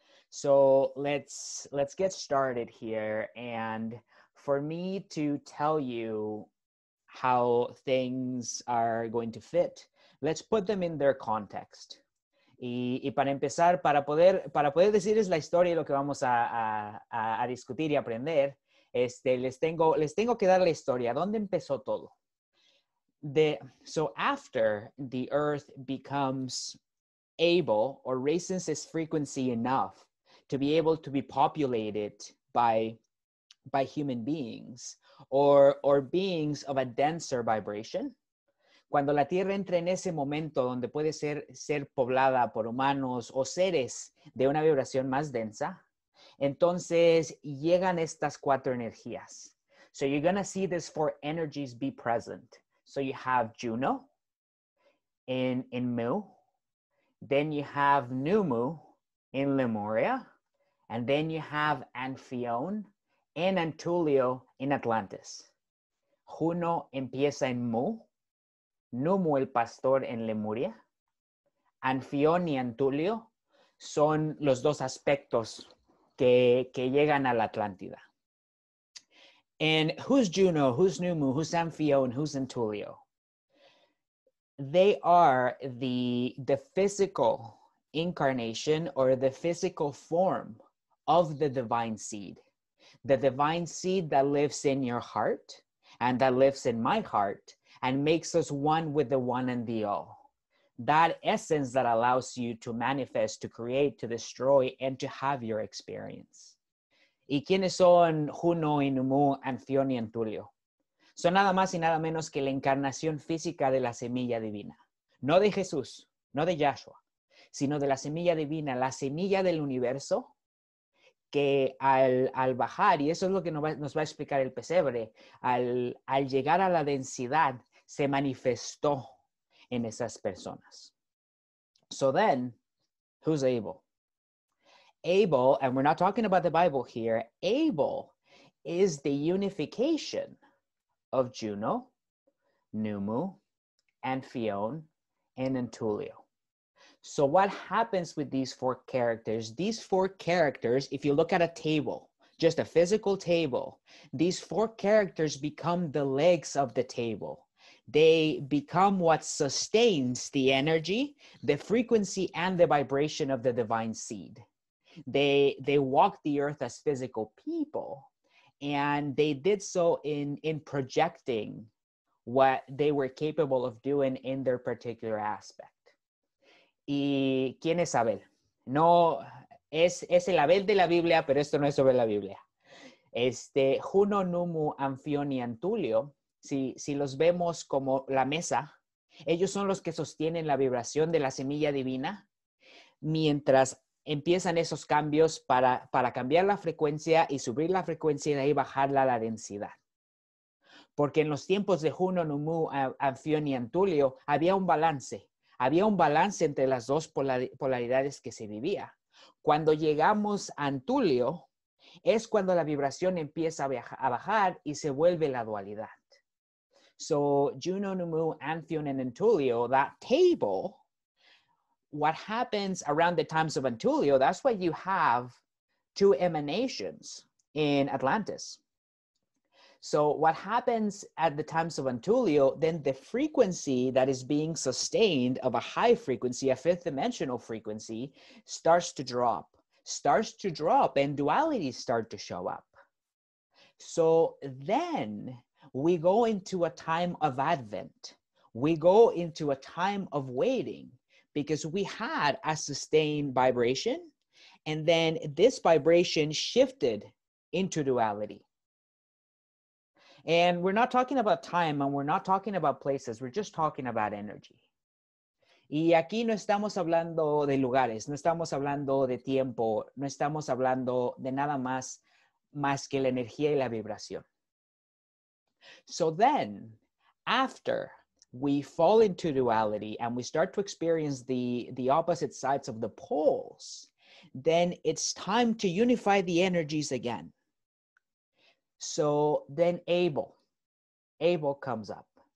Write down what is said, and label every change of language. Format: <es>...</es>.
<en>So let's get started here. And for me to tell you how things are going to fit, let's put them in their context.</en> <es>Y para empezar, para poder decirles la historia y lo que vamos a discutir y aprender, les tengo que dar la historia. ¿Dónde empezó todo?</es> <en>So after the earth becomes able or raises its frequency enough to be able to be populated by human beings or beings of a denser vibration.</en> <es>Cuando la Tierra entra en ese momento donde puede ser poblada por humanos o seres de una vibración más densa, entonces llegan estas cuatro energías.</es> <en>So you're going to see these four energies be present. So you have Juno in Mu. Then you have Nummu in Lemuria. And then you have Anfion and Antulio in Atlantis.</en> <es>Juno empieza en Mu, Nummu el pastor en Lemuria. Anfion y Antulio son los dos aspectos que llegan a la Atlántida.</es> <en>And who's Juno, who's Nummu, who's Anfion, who's Antulio? They are the physical incarnation or the physical form of the divine seed that lives in your heart and that lives in my heart and makes us one with the one and the all. That essence that allows you to manifest, to create, to destroy, and to have your experience.</en> <es>¿Y quiénes son Juno y Nummu, Anfion y Antulio? Son nada más y nada menos que la encarnación física de la semilla divina. No de Jesús, no de Yahshua, sino de la semilla divina, la semilla del universo, que al bajar, y eso es lo que nos va a explicar el pesebre, al llegar a la densidad, se manifestó en esas personas.</es> <en>So then, who's Abel? Abel, and we're not talking about the Bible here, Abel is the unification of Juno, Nummu, Amphion, and Entulio. So what happens with these four characters? These four characters, if you look at a table, just a physical table, these four characters become the legs of the table. They become what sustains the energy, the frequency, and the vibration of the divine seed. They walk the earth as physical people, and they did so in projecting what they were capable of doing in their particular aspect.</en> <es>¿Y quién es Abel? No, es el Abel de la Biblia, pero esto no es sobre la Biblia. Juno, Nummu, Amphion y Entulio, si los vemos como la mesa, ellos son los que sostienen la vibración de la semilla divina, mientras empiezan esos cambios para cambiar la frecuencia y subir la frecuencia y de ahí bajarla a la densidad. Porque en los tiempos de Juno, Nummu, Amphion y Entulio, había un balance entre las dos polaridades que se vivía. Cuando llegamos a Entulio, es cuando la vibración empieza a bajar y se vuelve la dualidad.</es> <en>So, Juno, Nummu, Amphion, and Entulio, that table, what happens around the times of Entulio, that's why you have two emanations in Atlantis. So what happens at the times of Entulio, then the frequency that is being sustained of a high frequency, a fifth dimensional frequency, starts to drop and dualities start to show up. So then we go into a time of Advent. We go into a time of waiting, because we had a sustained vibration, and then this vibration shifted into duality. And we're not talking about time, and we're not talking about places, we're just talking about energy.</en> <es>Y aquí no estamos hablando de lugares, no estamos hablando de tiempo, no estamos hablando de nada más que la energía y la vibración.</es> <en>So then, after we fall into duality and we start to experience the opposite sides of the poles, then it's time to unify the energies again. So then Abel comes up.</en>